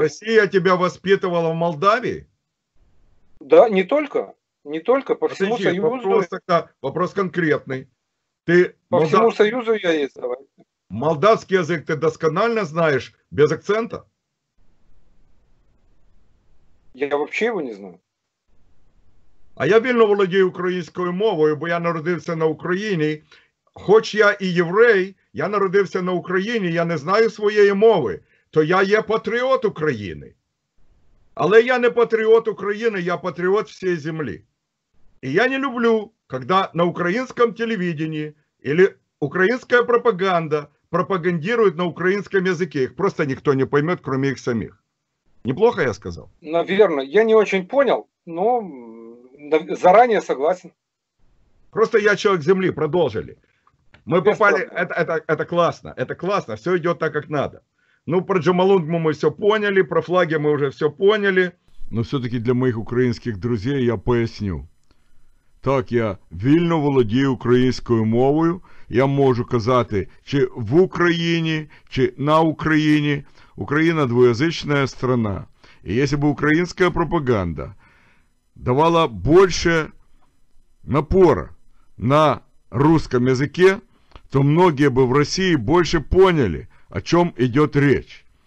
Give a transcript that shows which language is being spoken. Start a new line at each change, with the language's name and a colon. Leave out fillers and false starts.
Russian: Россия тебя воспитывала в Молдавии? Да, не только, по всему Союзу. Вопрос конкретный. Всему Союзу я ездила. Молдавский язык ты досконально знаешь, без акцента? Я вообще его не знаю.
Ukrainian: А я вільно володію українською мовою, бо я народився на Україні. Хоч я і єврей, я народився на Україні, я не знаю своєї мови, то я є патріот України. Але я не патріот України, я патріот всієї землі. І я не люблю, коли на українському телевіденні або українська пропаганда пропагандирує на українському язикі. Їх просто ніхто не пойме, крім їх самих. Неплохо я сказав? Навірно. Я не дуже зрозумів, але
Russian: заранее согласен. Просто я человек земли. Продолжили. Мы попали. Это классно. Это классно. Все идет так, как надо. Ну, про Джомолунгму мы все поняли. Про флаги мы уже все поняли. Но все-таки для моих украинских друзей я поясню.
Ukrainian: Так, я вільно володію українською мовою. Я можу казати, чи в Україні, чи на Україні.
Russian: Україна двуязычная страна. И если бы украинская пропаганда давала больше напора на русском языке, то многие бы в России больше поняли, о чем идет речь.